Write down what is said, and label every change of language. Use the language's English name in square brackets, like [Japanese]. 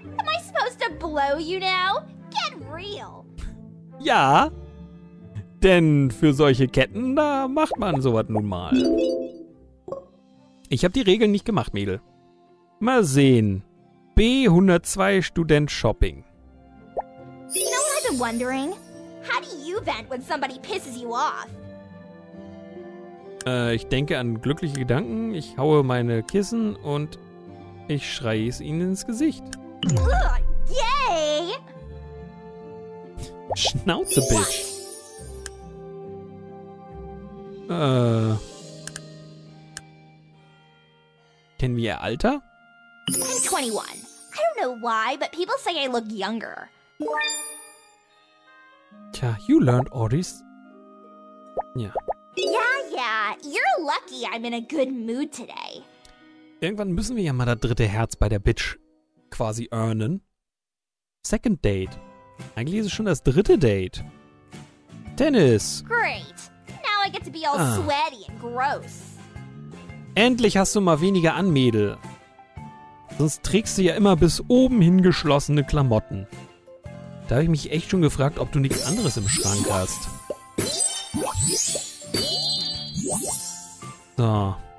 [English] Am I supposed to blow you now? Get real. [German] Ja. Denn für solche Ketten, da macht man sowas nun mal. Ich habe die Regeln nicht gemacht, Mädel. Mal sehen. B102 Student Shopping. [English] You know what I've been wondering? How do you vent when somebody pisses you off? [German] Ich denke an glückliche Gedanken, ich haue meine Kissen und ich schreie es ihnen ins Gesicht. Yay! Schnauze, Bitch. Kennen wir ihr Alter? [English] I'm 21. I don't know why, but people say I look younger. Tja, you learned all this. [German] Ja. [English] Yeah, yeah. You're lucky I'm in a good mood today. [German] Irgendwann müssen wir ja mal das dritte Herz bei der Bitch quasi earnen. Second date. Eigentlich ist es schon das dritte Date. Tennis. [English] Great. Now I get to be all sweaty and gross. [German] Endlich hast du mal weniger an, Mädel. Sonst trägst du ja immer bis oben hin geschlossene Klamotten. Da habe ich mich echt schon gefragt, ob du nichts anderes im Schrank hast. So.